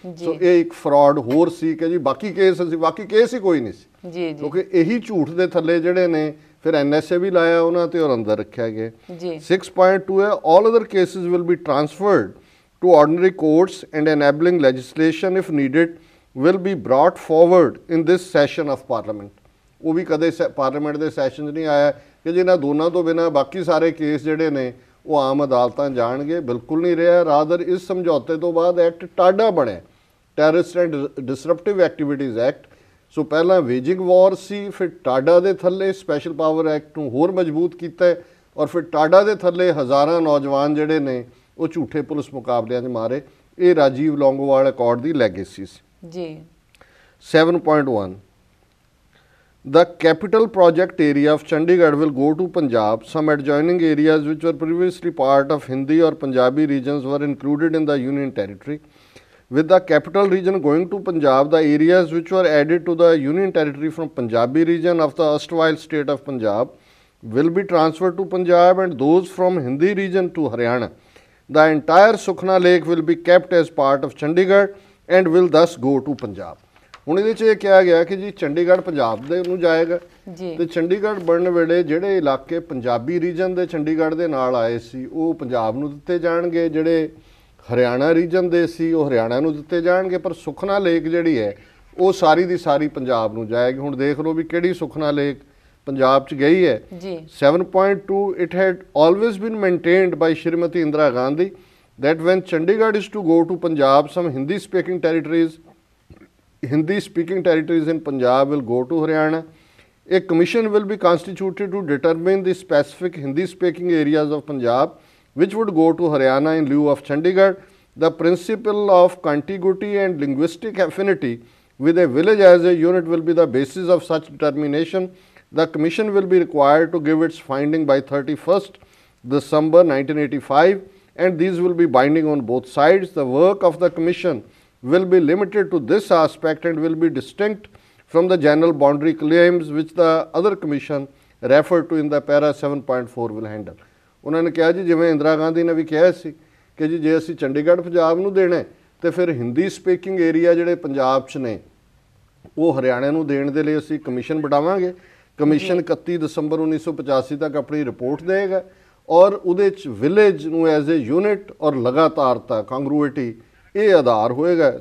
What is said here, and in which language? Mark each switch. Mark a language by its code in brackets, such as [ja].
[pa] ਸੋ ਇਹ ਇੱਕ ਫਰੌਡ ਹੋਰ ਸੀ ਕਿ ਜੀ ਬਾਕੀ ਕੇਸ ਹੀ ਕੋਈ ਨਹੀਂ ਸੀ, ਕਿਉਂਕਿ ਇਹੀ ਝੂਠ ਦੇ ਥੱਲੇ ਜਿਹੜੇ ਨੇ ਫਿਰ NSA ਵੀ ਲਾਇਆ ਉਹਨਾਂ 'ਤੇ ਔਰ ਅੰਦਰ ਰੱਖਿਆ ਗਿਆ। [en] 6.2 ਹੈ, all other cases will be transferred to ordinary courts and enabling legislation if needed will be brought forward in this session of parliament. [pa] ਉਹ ਵੀ ਕਦੇ ਪਾਰਲੀਮੈਂਟ ਦੇ ਸੈਸ਼ਨ 'ਚ ਨਹੀਂ ਆਇਆ ਕਿ ਜੀ ਇਹਨਾਂ ਦੋਨਾਂ ਤੋਂ ਬਿਨਾਂ ਬਾਕੀ ਸਾਰੇ ਕੇਸ ਜਿਹੜੇ ਨੇ ਉਹ ਆਮ ਅਦਾਲਤਾਂ ਜਾਣਗੇ, ਬਿਲਕੁਲ ਨਹੀਂ ਰਿਹਾ। ਰਾਦਰ ਇਸ ਸਮਝੌਤੇ ਤੋਂ ਬਾਅਦ ਐਕਟ ਟਾਢਾ ਬਣਿਆ, ਟੈਰਰਿਸਟ ਐਂਡ ਡਿਸਰਪਟਿਵ ਐਕਟੀਵਿਟੀਜ਼ ਐਕਟ। ਸੋ ਪਹਿਲਾਂ ਵੇਜਿੰਗ ਵਾਰ ਸੀ, ਫਿਰ ਟਾਢਾ ਦੇ ਥੱਲੇ ਸਪੈਸ਼ਲ ਪਾਵਰ ਐਕਟ ਨੂੰ ਹੋਰ ਮਜ਼ਬੂਤ ਕੀਤਾ, ਔਰ ਫਿਰ ਟਾਢਾ ਦੇ ਥੱਲੇ ਹਜ਼ਾਰਾਂ ਨੌਜਵਾਨ ਜਿਹੜੇ ਨੇ ਉਹ ਝੂਠੇ ਪੁਲਿਸ ਮੁਕਾਬਲਿਆਂ 'ਚ ਮਾਰੇ। ਇਹ ਰਾਜੀਵ ਲੌਂਗੋਵਾਲ ਅਕਾਰਡ ਦੀ ਲੈਗੇਸੀ ਸੀ ਜੀ। [en] 7.1 The capital project area of Chandigarh will go to Punjab. Some adjoining areas which were previously part of Hindi or Punjabi regions were included in the Union Territory. With the capital region going to Punjab, the areas which were added to the Union Territory from Punjabi region of the erstwhile state of Punjab will be transferred to Punjab and those from Hindi region to Haryana. The entire Sukhna Lake will be kept as part of Chandigarh and will thus go to Punjab. [pa] ਹੁਣ ਇਹਦੇ 'ਚ ਇਹ ਕਿਹਾ ਗਿਆ ਕਿ ਜੀ ਚੰਡੀਗੜ੍ਹ ਪੰਜਾਬ ਦੇ ਨੂੰ ਜਾਏਗਾ ਅਤੇ ਚੰਡੀਗੜ੍ਹ ਬਣਨ ਵੇਲੇ ਜਿਹੜੇ ਇਲਾਕੇ ਪੰਜਾਬੀ ਰੀਜਨ ਦੇ ਚੰਡੀਗੜ੍ਹ ਦੇ ਨਾਲ ਆਏ ਸੀ ਉਹ ਪੰਜਾਬ ਨੂੰ ਦਿੱਤੇ ਜਾਣਗੇ, ਜਿਹੜੇ ਹਰਿਆਣਾ ਰੀਜਨ ਦੇ ਸੀ ਉਹ ਹਰਿਆਣਾ ਨੂੰ ਦਿੱਤੇ ਜਾਣਗੇ, ਪਰ ਸੁਖਨਾ ਲੇਕ ਜਿਹੜੀ ਹੈ ਉਹ ਸਾਰੀ ਦੀ ਸਾਰੀ ਪੰਜਾਬ ਨੂੰ ਜਾਏਗੀ। ਹੁਣ ਦੇਖ ਲਓ ਵੀ ਕਿਹੜੀ ਸੁਖਨਾ ਲੇਕ ਪੰਜਾਬ 'ਚ ਗਈ ਹੈ। [en] 7.2 it had always been maintained by Shrimati Indira Gandhi that when Chandigarh is to go to Punjab some Hindi speaking territories Hindi speaking territories in Punjab will go to Haryana. A commission will be constituted to determine the specific Hindi speaking areas of Punjab which would go to Haryana in lieu of Chandigarh. The principle of contiguity and linguistic affinity with a village as a unit will be the basis of such determination. The commission will be required to give its finding by 31st December 1985 and these will be binding on both sides. The work of the commission will be limited to this aspect and will be distinct from the general boundary claims which the other commission referred to in the para 7.4 will handle. [pa] ਉਹਨਾਂ ਨੇ ਕਿਹਾ ਜੀ ਜਿਵੇਂ ਇੰਦਰਾ ਗਾਂਧੀ ਨੇ ਵੀ ਕਿਹਾ ਸੀ ਕਿ ਜੀ ਜੇ ਅਸੀਂ ਚੰਡੀਗੜ੍ਹ ਪੰਜਾਬ ਨੂੰ ਦੇਣਾ ਅਤੇ ਫਿਰ ਹਿੰਦੀ ਸਪੀਕਿੰਗ ਏਰੀਆ ਜਿਹੜੇ ਪੰਜਾਬ 'ਚ ਨੇ ਉਹ ਹਰਿਆਣੇ ਨੂੰ ਦੇਣ ਦੇ ਲਈ ਅਸੀਂ ਕਮਿਸ਼ਨ ਬਣਾਵਾਂਗੇ। ਕਮਿਸ਼ਨ 31 ਦਸੰਬਰ 1985 ਤੱਕ ਆਪਣੀ ਰਿਪੋਰਟ ਦੇਵੇਗਾ ਔਰ ਉਹਦੇ 'ਚ ਵਿਲੇਜ ਨੂੰ [en] as a unit [pa] ਔਰ ਲਗਾਤਾਰਤਾ ਕਾਂਗਰੂਇਟੀ ਇਹ ਆਧਾਰ ਹੋਏਗਾ।